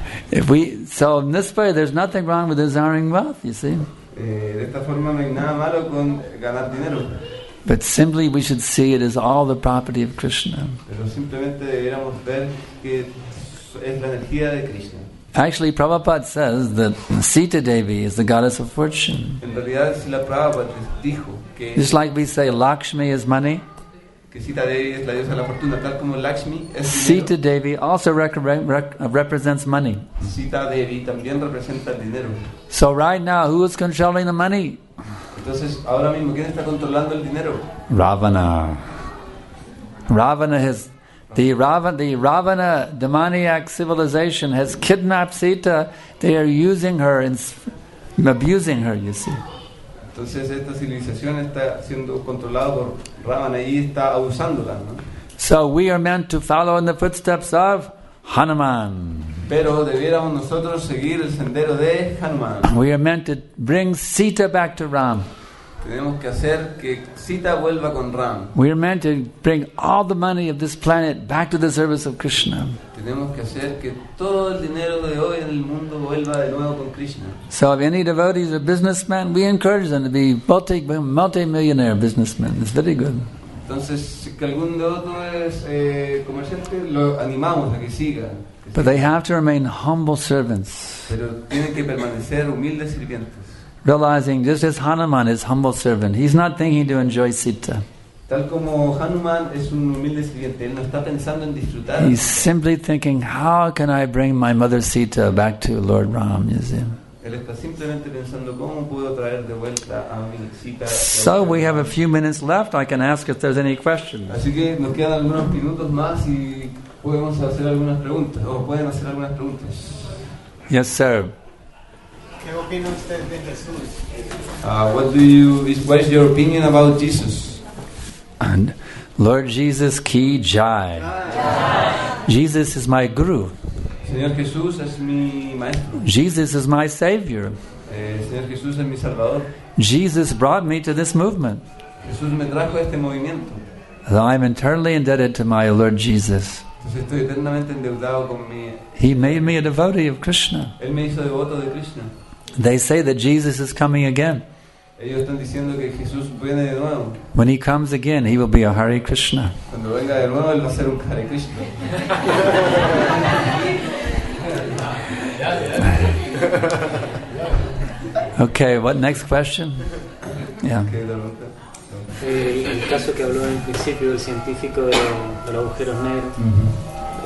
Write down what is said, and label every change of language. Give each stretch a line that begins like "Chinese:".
English: If we, so in this way, there's nothing wrong with desiring wealth, you see.
Spanish: De esta forma no hay nada malo con ganar dinero.
English: But simply we should see it as all the property of Krishna.
Spanish: Pero simplemente deberíamos ver que es la energía de Krishna.
English: Actually, Prabhupada says that Sita Devi is the goddess of fortune.
Spanish: En realidad, si la Prabhupada dijo que,
English: just like we say Lakshmi is money, Sita Devi also represents money.
Spanish: Sita Devi también representa el dinero.
English: So right now, who is controlling the money?
Spanish: Entonces, ahora mismo, ¿quién está controlando el dinero?
English: Ravana. Ravana has the Ravana demoniac civilization has kidnapped Sita. They are using her and abusing her. You see.
Spanish: Entonces esta civilización está siendo controlada por Ravana y está abusándola, ¿no?
English: So we are meant to follow in the footsteps of Hanuman.
Spanish: Pero debiéramos nosotros seguir el sendero de Hanuman.
English: We are meant to bring Sita back to Ram.
Spanish: Tenemos que hacer que Sita vuelva con Ram.
English: We are meant to bring all the money of this planet back to the service of Krishna.
Spanish: Tenemos que hacer que todo el dinero de hoy en el mundo vuelva de nuevo con Krishna.
English: So if any devotees are businessmen, we encourage them to be multi-millionaire businessmen. It's very good.
Spanish: Entonces, si algún devoto es comerciante, lo animamos a que siga.
English: But they have to remain humble servants.
Spanish: Pero tienen que permanecer humildes sirvientes.
English: Realizing just as Hanuman is humble servant, he's not thinking to enjoy Sita.
Spanish: Tal como Hanuman es un humilde sirviente, él no está pensando en disfrutar.
English: He's simply thinking, how can I bring my mother Sita back to Lord Ram, you see?
Spanish: Él está simplemente pensando cómo puedo traer de vuelta a mi Sita.
English: So we have a few minutes left. I can ask if there's any questions.
Spanish: Así que nos quedan algunos minutos más y podemos hacer algunas preguntas o pueden hacer algunas preguntas.
English: Yes, sir.
Spanish: ¿Qué opina usted de Jesús?
English: What is your opinion about Jesus? And Lord Jesus ki jai. Jesus is my guru.
Spanish: Señor Jesús es mi maestro.
English: Jesus is my savior.
Spanish: Señor Jesús es mi salvador.
English: Jesus brought me to this movement.
Spanish: Jesús me trajo este movimiento.
English: I am eternally indebted to my Lord Jesus.
Spanish: Entonces estoy eternamente endeudado con mi...
English: He made me a devotee of Krishna.
Spanish: Él me hizo devoto de Krishna.
English: They say that Jesus is coming again.
Spanish: Ellos están diciendo que Jesús viene de nuevo.
English: When he comes again, he will be a Hare Krishna.
Spanish: Cuando venga de nuevo, él va a ser un Hare Krishna.
English: Okay, what next question? Yeah.
Spanish: El caso que habló en principio el científico de los agujeros negros. Mm-hmm.